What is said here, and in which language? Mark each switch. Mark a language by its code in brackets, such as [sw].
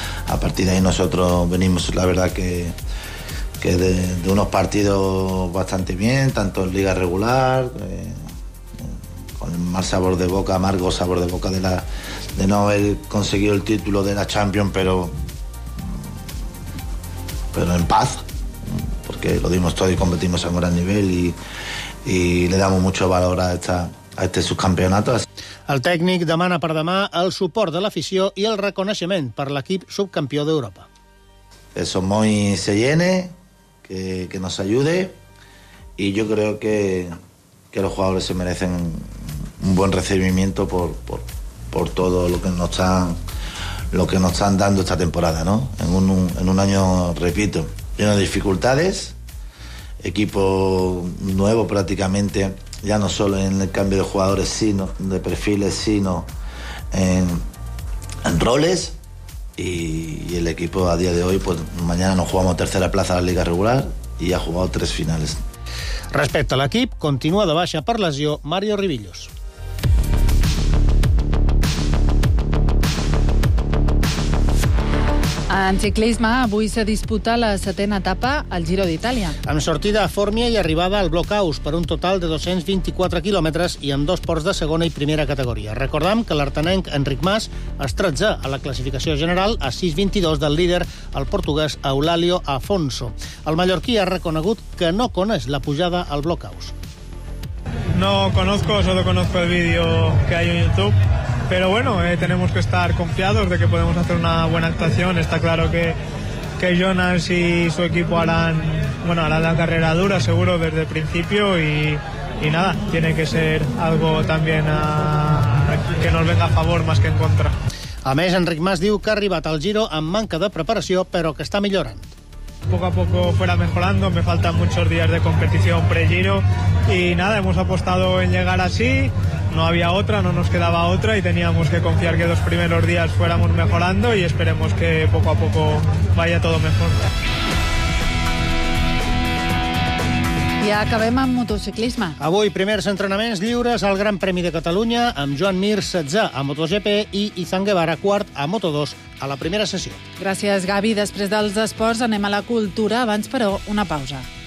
[es] A partir de ahí nosotros venimos, la verdad, que de unos partidos bastante bien, tanto en liga regular, con el mal sabor de boca, amargo sabor de boca de no haber conseguido el título de la Champions, pero en paz, porque lo dimos todo y competimos a un gran nivel y le damos mucho valor a este subcampeonato. [ca] El tècnic demana per demà el suport de l'afició i el reconeixement per l'equip subcampió d'Europa. [es] Que Somoy se llene, que nos ayude, y yo creo que los jugadores se merecen un buen recibimiento por todo lo que nos están dando esta temporada, ¿no? En un año, repito, lleno de dificultades, equipo nuevo prácticamente, ya no solo en el cambio de jugadores, sino de perfiles, sino en roles. Y el equipo a día de hoy, pues mañana no jugamos tercera plaza a la Liga Regular y ha jugado tres finales. [ca] Respecto a l'equip, continua de baixa per lesió Mario Ribillos. En ciclisme, avui s'ha disputat la setena etapa al Giro d'Itàlia. Amb sortida a Fòrmia i arribava al Blockhaus per un total de 224 quilòmetres i amb dos ports de segona i primera categoria. Recordem que l'artenenc Enric Mas es tretzà a la classificació general a 6:22 del líder, el portuguès Eulàlio Afonso. El mallorquí ha reconegut que no coneix la pujada al Blockhaus. [es] No conozco, solo conozco el vídeo que hay en YouTube. Pero bueno, tenemos que estar confiados de que podemos hacer una buena actuación. Está claro que Jonas y su equipo harán la carrera dura, seguro, desde el principio. Y nada, tiene que ser algo también que nos venga a favor más que en contra. [ca] A més, Enric Mas diu que ha arribat al Giro amb manca de preparació, però que està millorant. [es] Poco a poco fuera mejorando, me faltan muchos días de competición pre-Giro. Y nada, hemos apostado en llegar así. No había otra, no nos quedaba otra y teníamos que confiar que los primeros días fuéramos mejorando y esperemos que poco a poco vaya todo mejor. [ca] I acabem amb motociclisme. Avui, primers entrenaments lliures al Gran Premi de Catalunya amb Joan Mir, 16, a MotoGP i Izan Guevara, 4, a Moto2, a la primera sessió. Gràcies, Gavi. Després dels esports anem a la cultura. Abans, però, una pausa.